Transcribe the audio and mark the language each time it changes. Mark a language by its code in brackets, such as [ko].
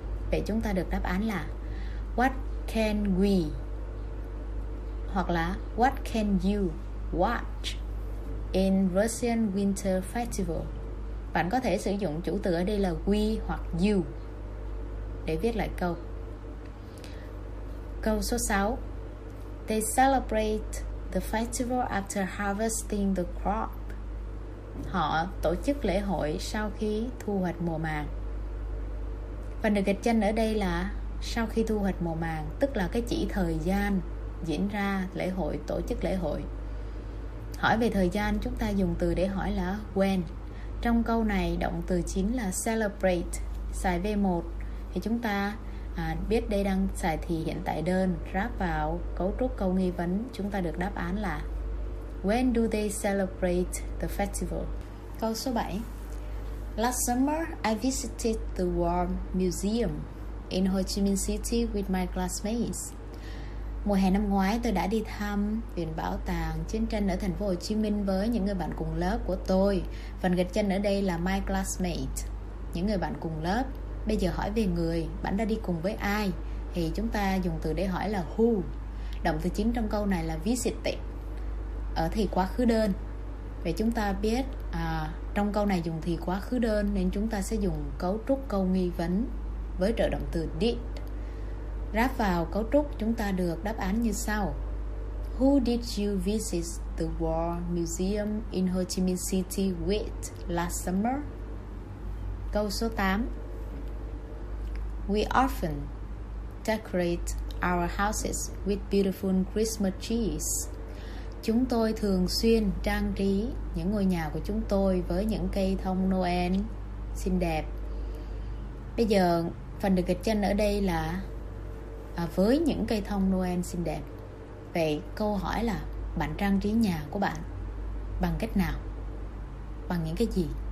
[vi] Vậy chúng ta được đáp án là [en] what can we, [vi] hoặc là [en] what can you watch in Russian Winter Festival. [vi] Bạn có thể sử dụng chủ từ ở đây là we hoặc you để viết lại câu. Câu số 6. [en] They celebrate the festival after harvesting the crop. [vi] Họ tổ chức lễ hội sau khi thu hoạch mùa màng. Phần được gạch chân ở đây là sau khi thu hoạch mùa màng, tức là cái chỉ thời gian diễn ra lễ hội, tổ chức lễ hội. Hỏi về thời gian, chúng ta dùng từ để hỏi là when. Trong câu này, động từ chính là celebrate, xài V1. Thì chúng ta biết đây đang xài thì hiện tại đơn, ráp vào cấu trúc câu nghi vấn, chúng ta được đáp án là [en] when do they celebrate the festival? [vi] Câu số 7. [en] Last summer, I visited the War Museum in Ho Chi Minh City with my classmates. [vi] Mùa hè năm ngoái tôi đã đi thăm viện bảo tàng chiến tranh ở thành phố Hồ Chí Minh với những người bạn cùng lớp của tôi. Phần gạch chân ở đây là [en] my classmate, [vi] những người bạn cùng lớp. Bây giờ hỏi về người, bạn đã đi cùng với ai? Thì chúng ta dùng từ để hỏi là who. Động từ chính trong câu này là visiting, ở thì quá khứ đơn. Vậy chúng ta biết trong câu này dùng thì quá khứ đơn, nên chúng ta sẽ dùng cấu trúc câu nghi vấn với trợ động từ did. Ráp vào cấu trúc, chúng ta được đáp án như sau. [en] Who did you visit the War Museum in Ho Chi Minh City with last summer? [vi] Câu số 8. [en] We often decorate our houses with beautiful Christmas trees. [vi] Chúng tôi thường xuyên trang trí những ngôi nhà của chúng tôi với những cây thông Noel xinh đẹp. Bây giờ, phần được gạch chân ở đây là với những cây thông Noel xinh đẹp. Vậy câu hỏi là bạn trang trí nhà của bạn bằng cách nào, bằng những cái gì?